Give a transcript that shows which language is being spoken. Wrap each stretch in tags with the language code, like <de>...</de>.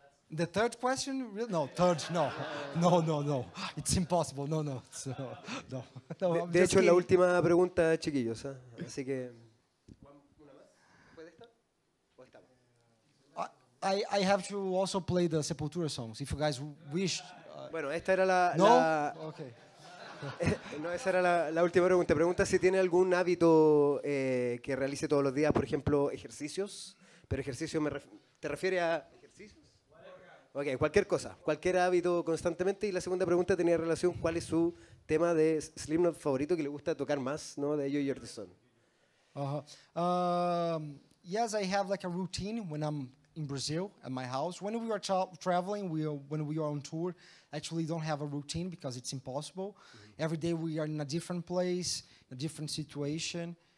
<en>The third question? Really? No, third, no. No, no, no. It's impossible. No, no. So, no. No,</en> <es>de hecho, es la última pregunta, chiquillos. ¿Eh? Así que...</es> <en>I have to also play the Sepultura songs, if you guys wish.</en> <es>Bueno, esta era la... No? La... Okay. No, esa era la última pregunta. Pregunta si tiene algún hábito que realice todos los días, por ejemplo, ejercicios. Pero ejercicio, ¿te refiere a ejercicios? Ok, cualquier cosa, cualquier hábito constantemente. Y la segunda pregunta tenía relación, ¿cuál es su tema de Slipknot favorito que le gusta tocar más, ¿no? De Joey Jordison.</es> <en>Yes, I have like a routine when I'm in Brazil at my house. When we are traveling, when we are on tour, actually don't have a routine because it's impossible. Mm-hmm. Every day we are in a different place, a different situation.</en>